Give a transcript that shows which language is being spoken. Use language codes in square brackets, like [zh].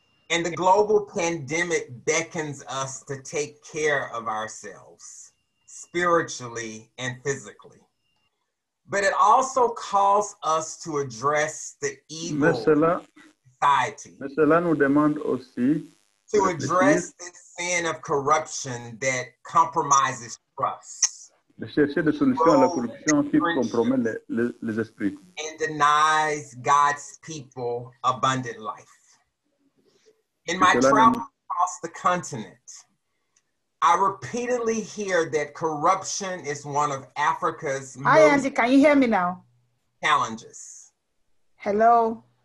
[en] And the global pandemic beckons us to take care of ourselves, spiritually and physically. But it also calls us to address the evil society. To address the sin of corruption that compromises trust. [fr] De chercher des solutions à la corruption qui compromet les esprits. [en] And denies God's people abundant life. In my travels across the continent, I repeatedly hear that corruption is one of Africa's most Andy, can you hear me now? Challenges. Hello.